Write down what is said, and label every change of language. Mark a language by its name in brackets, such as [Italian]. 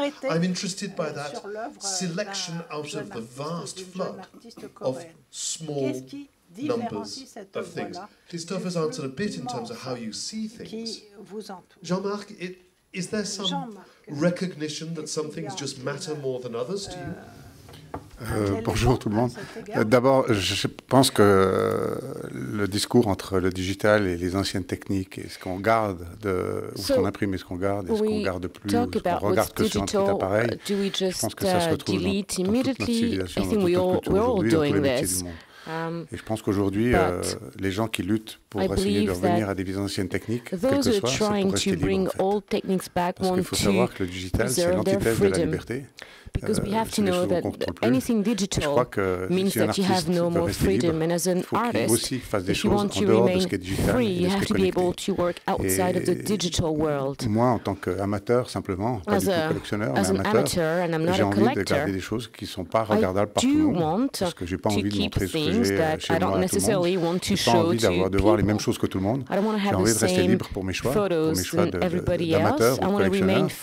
[English] I'm interested by that selection out of the vast flood of small numbers of things. Christophe has answered a bit in terms of how you see things. Jean-Marc, is there some recognition that some things just matter more than others to you? [French] Bonjour tout le monde. D'abord, je pense que le discours entre le digital et les anciennes techniques et ce qu'on garde, ou ce qu'on imprime et ce qu'on garde, et ce qu'on garde plus, ou ce qu'on regarde que sur un petit appareil, je pense que ça se retrouve dans toute notre civilisation, dans toute notre culture aujourd'hui, dans tous les métiers du monde. Et je pense qu'aujourd'hui, les gens qui luttent pour essayer de revenir à des vieilles anciennes techniques, quelles que soient, c'est pour rester libres, en fait. [English] Old techniques back, [French] parce qu'il faut savoir que le digital, c'est l'antithèse de la liberté. [English] Because we have to know that anything digital means that you have no more freedom. And as an artist, if you want to remain free, you have to be able to work outside of the digital world. [French] Moi, en tant qu'amateur, simplement, pas du tout collectionneur, mais amateur, j'ai envie de garder des choses qui ne sont pas regardables par tout le monde, parce que je n'ai pas envie de montrer ce que j'ai chez moi à tout le monde. Je n'ai pas envie de voir les mêmes choses que tout le monde. J'ai envie de rester libre pour mes choix d'amateur ou collectionneur.